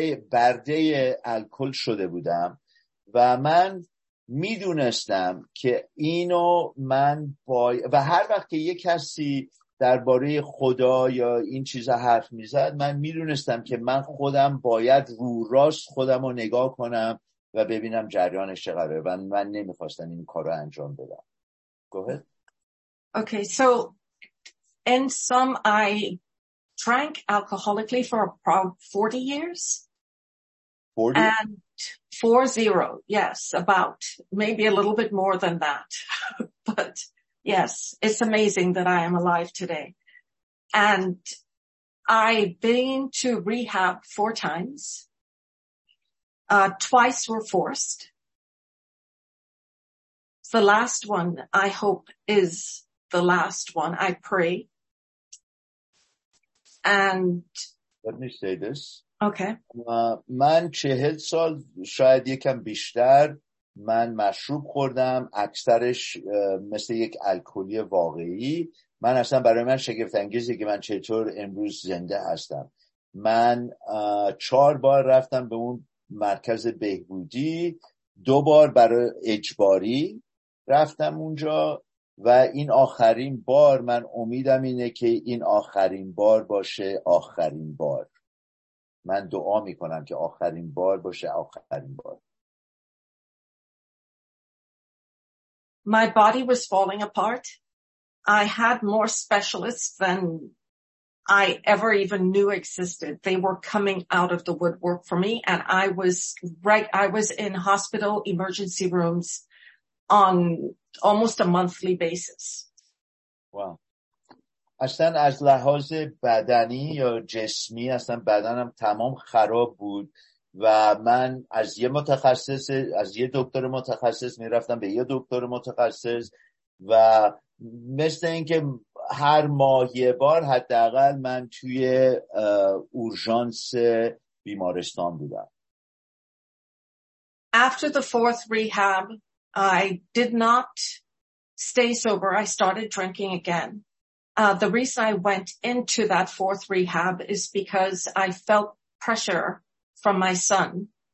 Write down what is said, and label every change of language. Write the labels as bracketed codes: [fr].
[fa] برده الکل شده بودم و من میدونستم که اینو من و هر وقت که یک کسی درباره خدا یا این چیزا حرف میزد، من میدونستم که من خودم باید رو راست خودم رو نگاه کنم و ببینم جریانش چقدره و من نمیخواستم این کارو انجام بدم. [en] Go ahead. Okay, so in sum, I drank alcoholically for about 40 years. 40? And 40, yes, about, maybe a little bit more than that. But yes, it's amazing that I am alive today. And I've been to rehab 4 times. Twice were forced. The last one, I hope, is the last one, I pray. And let me say this. Okay. [fa] من 40 سال شاید یکم بیشتر من مشروب خوردم، اکثرش مثل یک الکلی واقعی. من اصلا برای من شگفت انگیزه که من چطور امروز زنده هستم. من 4 بار رفتم به اون مرکز بهبودی، 2 بار برای اجباری رفتم اونجا و این آخرین بار. من امیدم اینه که این آخرین بار باشه، آخرین بار. من دعا می کنم که آخرین بار باشه، آخرین بار. [en] My body was falling apart. I had more specialists than I ever even knew existed. They were coming out of the woodwork for me, and I was in hospital emergency rooms on almost a monthly basis. Wow. [fa] اصلا از لحاظ بدنی یا جسمی اصلا بدنم تمام خراب بود و من از یه دکتر متخصص میرفتم به یه دکتر متخصص و مثل اینکه هر ماه یه بار حداقل من توی اورژانس بیمارستان بودم. [en] After the fourth rehab, I did not stay sober. I started drinking again. The reason I went into that fourth rehab is because I felt pressure from my son.